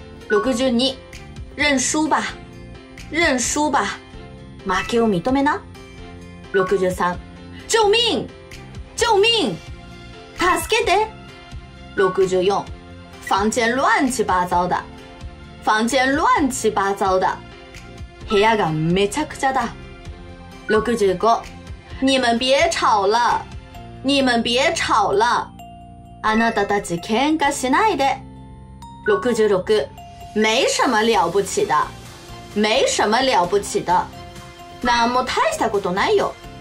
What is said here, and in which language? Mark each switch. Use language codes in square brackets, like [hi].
[zh] 62、认输吧，认输吧， [ja] 負けを認めな。 [zh] 63、救命，救命， [ja] 助けて。 [zh] 64、房间乱七八糟的，房间乱七八糟的， [ja] 部屋がめちゃくちゃだ。 [zh] 65、你们别吵了，你们别吵了， [ja] あなたたち喧嘩しないで。 [zh] 66、没什么了不起的，没什么了不起的， [ja] なんも大したことないよ。